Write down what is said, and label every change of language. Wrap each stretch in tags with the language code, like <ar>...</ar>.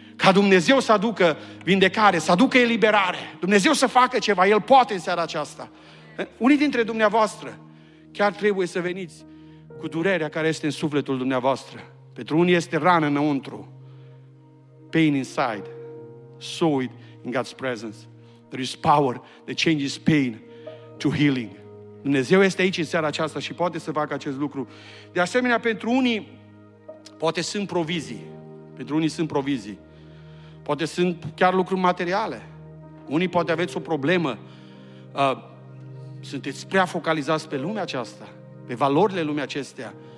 <ro>Ca Dumnezeu să aducă vindecare, să aducă eliberare. Dumnezeu să facă ceva. El poate în seara aceasta. Unii dintre dumneavoastră chiar trebuie să veniți cu durerea care este în sufletul dumneavoastră. Pentru unii este rană înăuntru.</ro> <en>Pain inside. Sow it in God's presence. There is power that changes pain to healing.</en> <ro>Dumnezeu este aici în seara aceasta și poate să facă acest lucru. De asemenea, pentru unii poate sunt provizii. Pentru unii sunt provizii. Poate sunt chiar lucruri materiale. Unii poate aveți o problemă. Sunteți prea focalizați pe lumea aceasta, pe valorile lumii acestea.</ro>